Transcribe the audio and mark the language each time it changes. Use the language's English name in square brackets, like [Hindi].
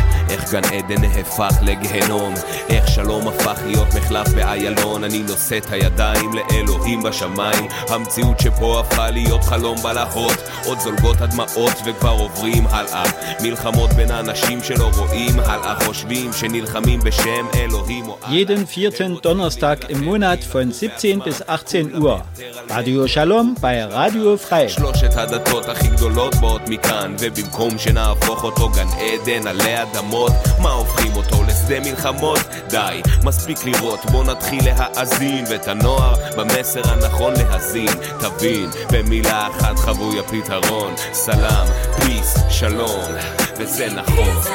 [Hebrew] איך גן עדן נהפך לגהנום איך שלום הפך להיות מחלף באיילון אני נושא את הידיים לאלוהים בשמיים המציאות שפה הפכה להיות חלום בלהות עוד זולגות הדמעות וכבר עוברים הלאה מלחמות בין האנשים שלא רואים הלאה חושבים שנלחמים בשם אלוהים [German] Jeden vierten Donnerstag im Monat von 17 bis 18 Uhr Radio Shalom bei Radio Frei [Hebrew] שלושת הדתות הכי גדולות באות מכאן ובמקום שנהפוך אותו גן עדן עלי אדם מה הופכים אותו לשדה מלחמות? די, מספיק לראות, בוא נתחיל להאזין ואת הנוער במסר הנכון להזין תבין, במילה אחת חבוי הפתרון סלם, פיס, שלום, וזה נכון